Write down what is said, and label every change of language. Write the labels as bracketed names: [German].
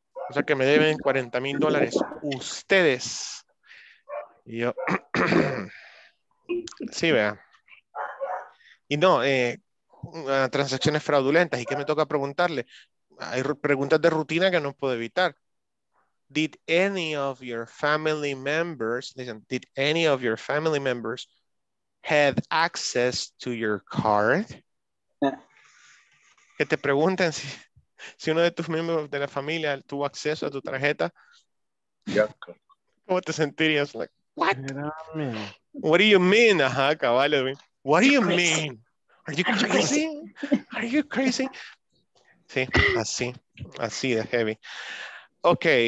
[Spanish] O sea que me deben $40,000 ustedes. Y yo, sí, vea. Y no, transacciones fraudulentas y que me toca preguntarle, hay preguntas de rutina que no puedo evitar. [English] Did any of your family members, listen, did any of your family members have access to your card? [Spanish] Que te pregunten si, si uno de tus miembros de la familia tuvo acceso a tu tarjeta. [English] Yeah. [Spanish] ¿Cómo te sentirías? [English] Like, what? What do you mean? [Spanish] Ajá, caballo. [English] What do you mean? Are you crazy? Are you crazy? [Spanish] Sí, así. Así de heavy. [English] Ok.